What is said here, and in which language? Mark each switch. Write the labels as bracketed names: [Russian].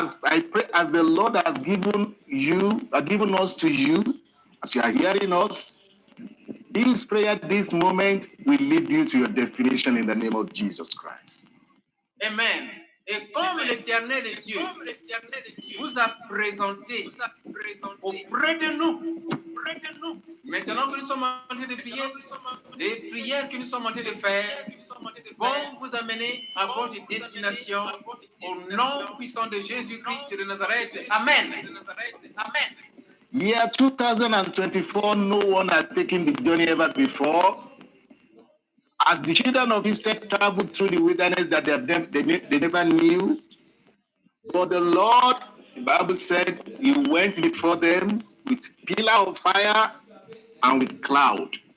[English] I pray as the Lord has given us to you, as you are hearing us, this prayer, this moment, will lead you to your destination in the name of Jesus Christ. Amen. [French] Et comme l'Éternel est Dieu, vous a présenté auprès de nous, maintenant que nous sommes en train de prier, les prières que nous sommes en train de faire vont vous amener à votre destination au nom puissant de Jésus-Christ de Nazareth. Amen. Amen. [English] Year 2024, no one has taken the journey ever before. As the children of Israel traveled through the wilderness that they never knew. For the Lord, the Bible said, he went before them with pillar of fire and with cloud.